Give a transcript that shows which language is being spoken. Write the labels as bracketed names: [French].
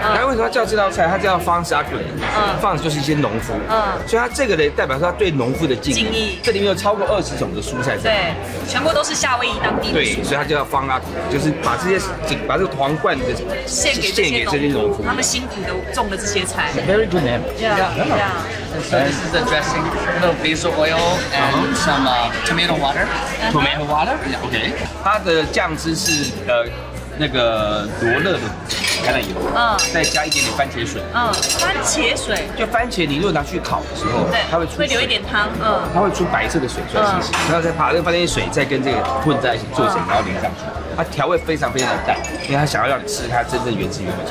[Chinese] 他为什么叫这道菜？他叫方式阿库雷。方式就是一些农夫。所以他这个呢，代表说他对农夫的敬意。这里面有超过20种的蔬菜。对，全部都是夏威夷当地的。对，所以他叫方阿库雷，就是把这些把这个皇冠的献给这些农夫，他们辛苦的种的这些菜。 [English] Very good name. Yeah. And so this is the dressing, a little basil oil and some tomato water. Tomato water. Yeah. Okay. [Chinese] 它的酱汁是那个罗勒的橄榄油，再加一点点番茄水，番茄水，就番茄，你如果拿去烤的时候，它会出水，会留一点汤，它会出白色的水出来，然后再把这个番茄水再跟这个混在一起做成，然后淋上去，它调味非常非常的淡，因为它想要让你吃它真正原汁原味，